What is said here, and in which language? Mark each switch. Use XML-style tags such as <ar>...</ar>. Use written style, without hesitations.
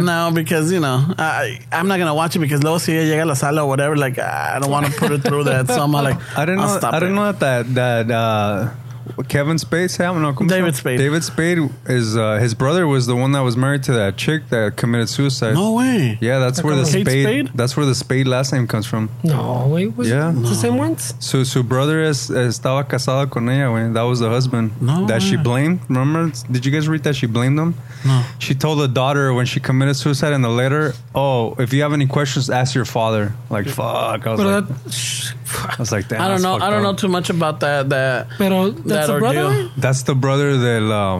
<en>No, because you know I'm not gonna watch it because</en> <es>luego si ella llega a la sala</es> <en>or whatever, like I don't want to put it through that. So I'm like, I didn't know that Kevin Spade, David Spade is his brother was the one that was married to that chick that committed suicide. No way. Yeah, that's where the Spade. That's where the Spade last name comes from. No way. It's the same ones.</en> <es>So su brother estaba casado con ella, güey.</es> <en>That was the husband she blamed. Remember? Did you guys read that she blamed him? No. She told the daughter when she committed suicide in the letter, "Oh, if you have any questions, ask your father." Like, fuck. I don't know. I don't know too much about that. Pero that's the brother. That's the brother that</en>